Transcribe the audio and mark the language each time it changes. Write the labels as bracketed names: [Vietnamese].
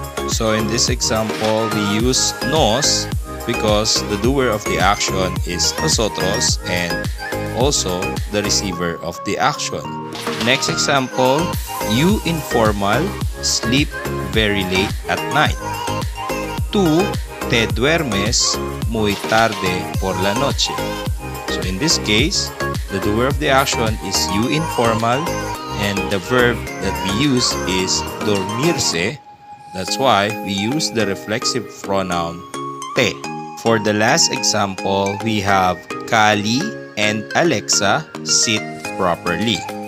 [English] So, in this example, we use nos because the doer of the action is nosotros and also the receiver of the action. Next example, you informal sleep very late at night. [Spanish] Tú te duermes muy tarde por la noche. [English] So, in this case, the doer of the action is you informal, and the verb that we use is dormirse. That's why we use the reflexive pronoun te. For the last example, we have Kali and Alexa sit properly.